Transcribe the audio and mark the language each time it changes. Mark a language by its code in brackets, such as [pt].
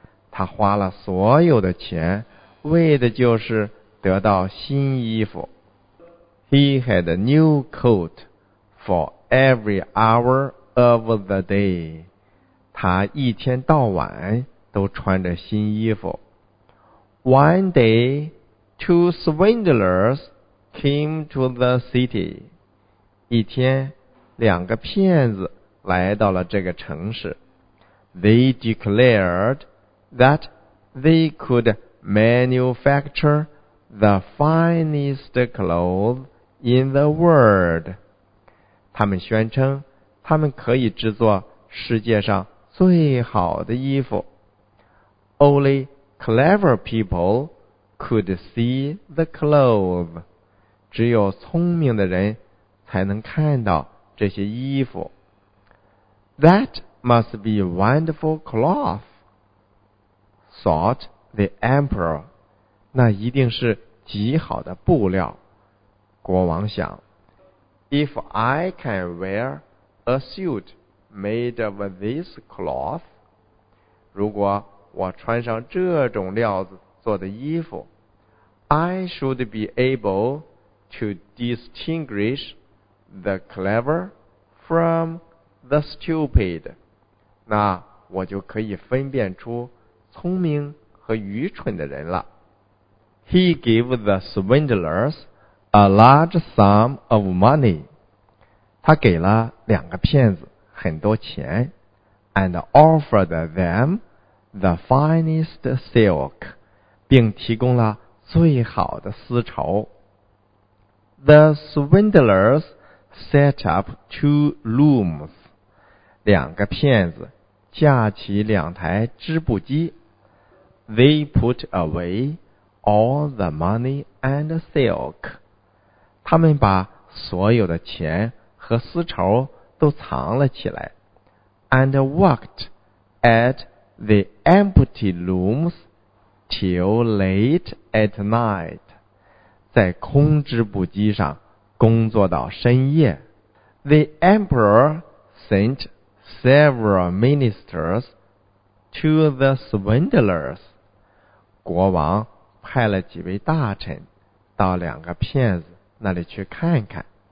[zh] 他花了所有的钱为的就是得到新衣服。 [en] He had a new coat for every hour of the day. [zh] 他一天到晚都穿着新衣服。 [en] One day, two swindlers came to the city. [zh] 一天，两个骗子来到了这个城市。 [en] They declared that they could manufacture the finest clothes in the world. [zh] 他们宣称他们可以制作世界上最好的衣服。 [en] Only clever people could see the clothes. [zh] 只有聪明的人才能看到这些衣服。 [en] That must be wonderful cloth, thought the emperor. [zh] 那一定是极好的布料。国王想， [en] If I can wear a suit made of this cloth, [zh] 如果我穿上这种料子做的衣服， [en] I should be able to distinguish the clever from the stupid. [zh] 那我就可以分辨出聪明和愚蠢的人了。 [en] He gave the swindlers a large sum of money. [zh] 他给了两个骗子很多钱， [en] and offered them the finest silk, [zh] 并提供了最好的丝绸。 [en] The swindlers set up two looms. [zh] 两个骗子架起两台织布机。 [en] They put away all the money and silk. [zh] 他们把所有的钱和丝绸都藏了起来。 [en] And worked at the empty looms till late at night. [zh] 在空织布机上工作到深夜。 [en] The emperor sentseveral ministers to the swindlers. [zh] 国王派了几位大臣到两个骗子那里去看看。